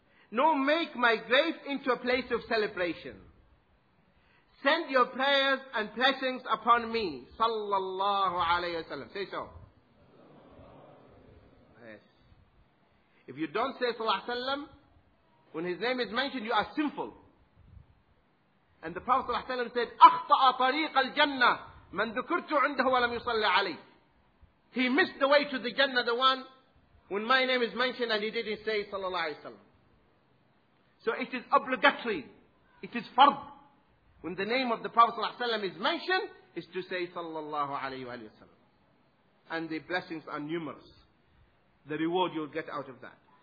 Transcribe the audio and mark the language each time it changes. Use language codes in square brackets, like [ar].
[en] Nor make my grave into a place of celebration. Send your prayers and blessings upon me. Sallallahu alayhi wa sallam. Say so. Yes. If you don't say sallallahu alayhi wa sallam, when his name is mentioned, you are sinful. And the Prophet ﷺ said, [ar] أَخْطَأَ طَرِيقَ الْجَنَّةِ مَنْ ذُكُرْتُ عُنْدَهُ وَلَمْ يُصَلِّ عَلَيْهِ. [en] He missed the way to the Jannah, the one when my name is mentioned and he didn't say sallallahu alayhi wa sallam. So it is obligatory. It is fard. When the name of the Prophet ﷺ is mentioned, is to say sallallahu alayhi wa sallam. And the blessings are numerous. The reward you'll get out of that.